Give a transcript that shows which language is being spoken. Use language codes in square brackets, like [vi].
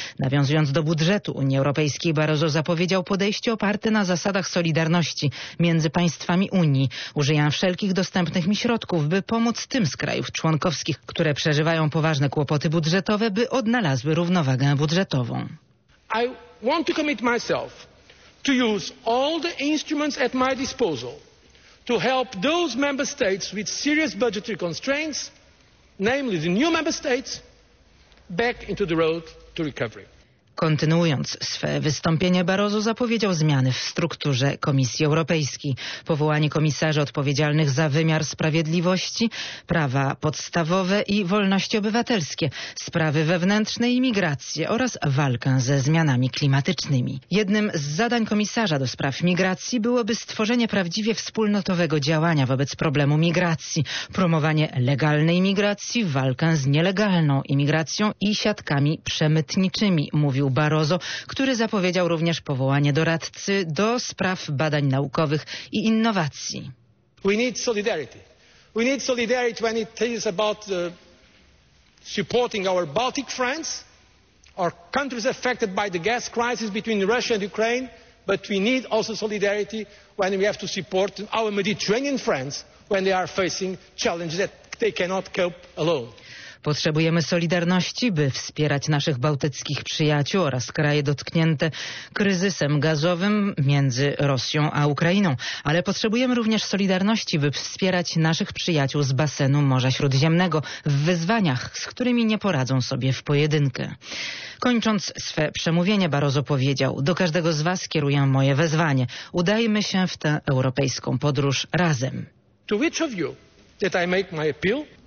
[pl] Nawiązując do budżetu Unii Europejskiej, Barroso zapowiedział podejście oparte na zasadach solidarności między państwami Unii. Użyję wszelkich dostępnych mi środków, by pomóc tym z krajów członkowskich, które przeżywają poważne kłopoty budżetowe, by odnalazły równowagę budżetową. [en] I want to commit myself to use all the instruments at my disposal to help those member states with serious budgetary constraints, namely the new member states, back into the road to recovery. [pl] Kontynuując swe wystąpienie, Barroso zapowiedział zmiany w strukturze Komisji Europejskiej. Powołanie komisarzy odpowiedzialnych za wymiar sprawiedliwości, prawa podstawowe i wolności obywatelskie, sprawy wewnętrzne i migrację oraz walkę ze zmianami klimatycznymi. Jednym z zadań komisarza do spraw migracji byłoby stworzenie prawdziwie wspólnotowego działania wobec problemu migracji, promowanie legalnej migracji, walkę z nielegalną imigracją i siatkami przemytniczymi, mówił Barroso, który zapowiedział również powołanie doradcy do spraw badań naukowych i innowacji. [en] We need solidarity. We need solidarity when it is about supporting our Baltic friends, our countries affected by the gas crisis between Russia and Ukraine, but we need also solidarity when we have to support our Mediterranean friends when they are facing challenges that they cannot cope alone. [pl] Potrzebujemy solidarności, by wspierać naszych bałtyckich przyjaciół oraz kraje dotknięte kryzysem gazowym między Rosją a Ukrainą. Ale potrzebujemy również solidarności, by wspierać naszych przyjaciół z basenu Morza Śródziemnego w wyzwaniach, z którymi nie poradzą sobie w pojedynkę. Kończąc swe przemówienie, Barroso powiedział: do każdego z was kieruję moje wezwanie. Udajmy się w tę europejską podróż razem. [en] To which of you did I make my appeal?